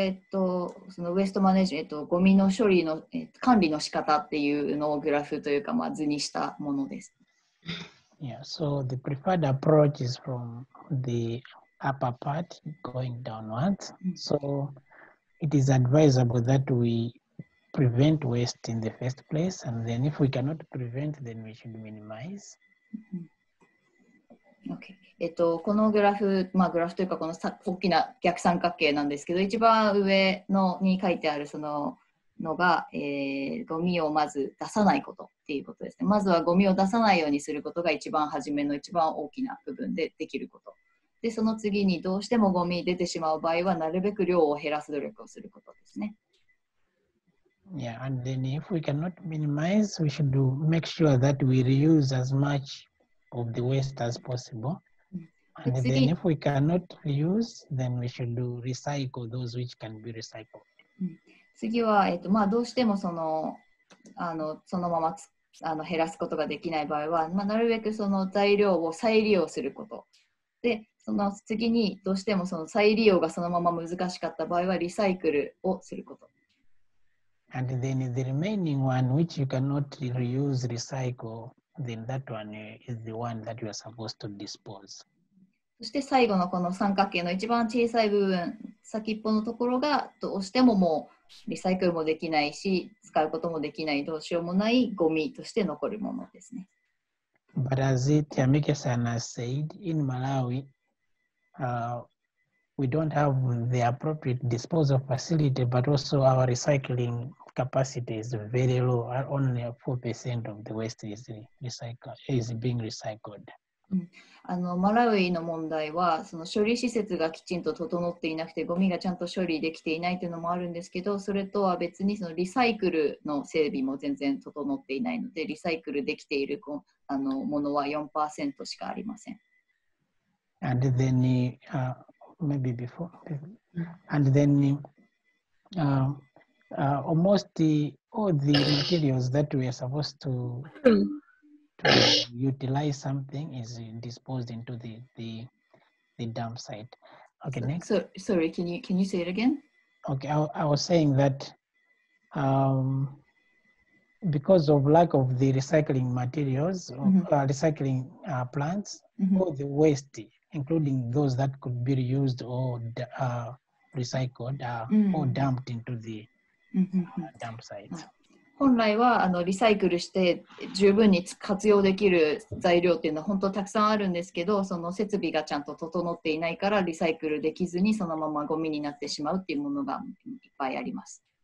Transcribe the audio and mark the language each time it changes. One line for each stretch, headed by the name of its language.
Japanese: そのウエストマネジメント、ゴミの処理の、管理の仕方っていうのをグラフというか、図にしたものです。
English: Yeah, so the preferred approach is from the upper part going downwards. So it is advisable that weprevent waste in the first place, and then if we cannot prevent, then we should minimize. Okay.
Japanese: このグラフ、グラフというかこの大きな逆三角形なんですけど、一番上のに書いてあるそののが、ゴミをまず出さないことっていうことですね。まずはゴミを出さないようにすることが一番初めの一番大きな部分でできること。で、その次にどうしてもゴミ出てしまう場合は、なるべく量を減らす努力をすることですね。
English: Yeah, and then if we cannot minimize, we should make sure that we reuse as much of the waste as possible. And then if we cannot reuse, then we should do recycle those which can be recycled.
Japanese: 次は、どうしてもそのまま減らすことができない場合は、なるべくその材料を再利用すること。で、その次にどうしてもその再利用がそのまま難しかった場合は、リサイクルをすること。
English: And then the remaining one, which you cannot reuse, recycle, then that one is the one that you are supposed to dispose.
Japanese: そして最後のこの三角形の一番小さい部分、先っぽのところがどうしてももうリサイクルもできないし、使うこともできない、どうしようもないゴミとして残るものですね。
English: But as Tiamike-san has said, in Malawi, we don't have the appropriate disposal facility, but also our recycling capacity is very low. Only 4% of the waste is being recycled.
Japanese: マラウイの問題は、その処理施設がきちんと整っていなくて、ゴミがちゃんと処理できていないというのもあるんですけど、それとは別にそのリサイクルの整備も全然整っていないので、リサイクルできているものは 4% しかありません。
English: And then, maybe before, and then almost all the materials that we are supposed to utilize something is disposed into the dump site. Okay, next. Sorry, can you say it again? Okay, I was saying that because of lack of the recycling materials, mm-hmm. Recycling plants, mm-hmm. all the waste, including those that could be reused or recycled, mm-hmm. or dumped into the dump sites.
Japanese: 本来はリサイクルして十分に活用できる材料っていうのは本当たくさんあるんですけど、その設備がちゃんと整っていないからリサイクルできずにそのままゴミになってしまうっていうものがいっぱいあります。